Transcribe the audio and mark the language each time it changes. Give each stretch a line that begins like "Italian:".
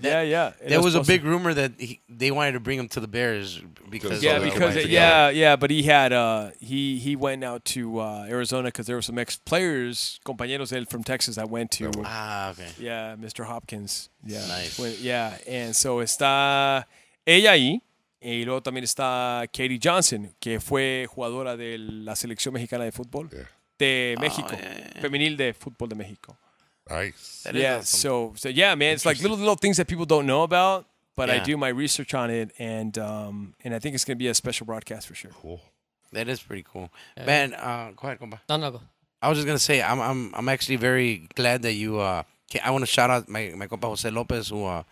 English: There was a big rumor that they wanted to bring him to the Bears because but he had he went out to Arizona because there were some ex players,
Spanish: compañeros de él
English: from Texas that went to Mr. Hopkins. Yeah. Nice. And so
Spanish: está ella ahí. Y luego también está Katie Johnson, que fue jugadora de la selección mexicana de fútbol de México, femenil de fútbol de México.
English: Nice. Yeah. Awesome. So yeah, man. It's like little things that people don't know about, but I do my research on it, and I think it's gonna be a special broadcast for sure. Cool. That is pretty cool, man. Go ahead, compa. No, go. I was just gonna say I'm actually very glad that you I want to shout out my compa Jose López who